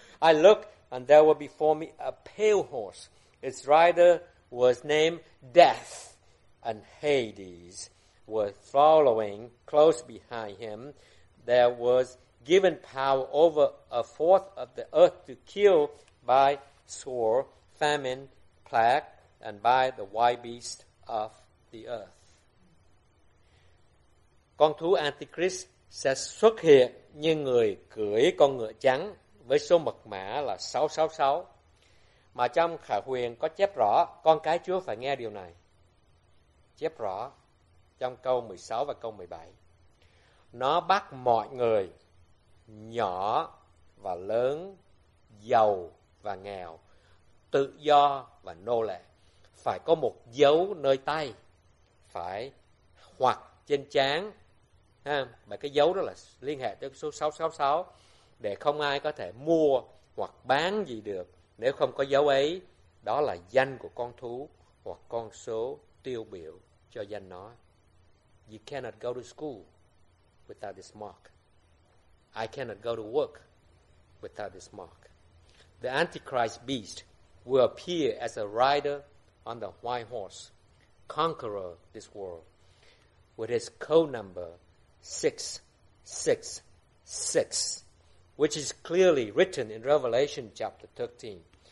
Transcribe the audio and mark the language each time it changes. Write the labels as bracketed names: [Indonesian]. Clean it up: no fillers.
[English] I looked, and there were before me a pale horse. Its rider was named Death, and Hades were following close behind him. There was given power over 1/4 of the earth to kill by sword, famine, plague, and by the wild beast of the earth. [Vietnamese] Con thú Antichrist sẽ xuất hiện như người cưỡi con ngựa trắng với số mật mã là 666. Mà trong Khải Huyền có chép rõ, con cái Chúa phải nghe điều này. Chép rõ, trong câu 16 và câu 17. Nó bắt mọi người, nhỏ và lớn, giàu và nghèo, tự do và nô lệ, phải có một dấu nơi tay, phải hoặc trên trán. Mà cái dấu đó là liên hệ tới số 666, để không ai có thể mua hoặc bán gì được nếu không có dấu ấy. Đó là danh của con thú hoặc con số tiêu biểu cho danh nó. [English] You cannot go to school without this mark. I cannot go to work without this mark. The Antichrist beast will appear as a rider on the white horse, conqueror this world, with his code number 666, which is clearly written in Revelation chapter 13.